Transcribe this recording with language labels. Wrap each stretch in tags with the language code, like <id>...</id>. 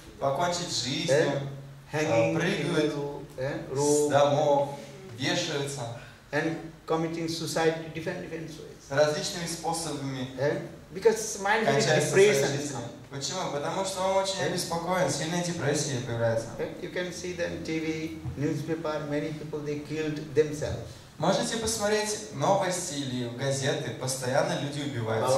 <ru>покончить жизнью, прыгают</ru> <en>roof,</en> <ru>с домов, вешаются.</ru> <en>And committing suicide different ways.</en> <ru>Различными способами.</ru> <en>Because mind is depressed.</en> <ru>Почему? Потому что он очень обеспокоен, сильная депрессия появляется.</ru> <en>You can see them TV, newspaper, many people they killed themselves.</en> <ru>Можете посмотреть новости или газеты, постоянно люди убиваются.</ru>